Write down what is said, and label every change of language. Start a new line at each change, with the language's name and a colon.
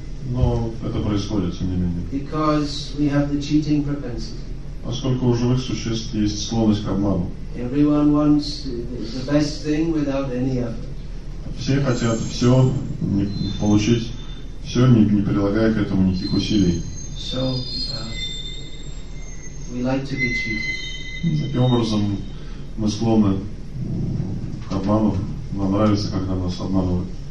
Russian: Но это происходит, тем не менее.
English: Because we have the cheating propensity.
Russian: Поскольку у живых существ есть склонность к обману.
English: Everyone wants the best thing without any effort.
Russian: Все хотят все получить, все, не прилагая к этому никаких усилий.
English: So, we like to be cheated.
Russian: Таким образом, мы склонны к обману. Нам нравится, когда нас обманывают.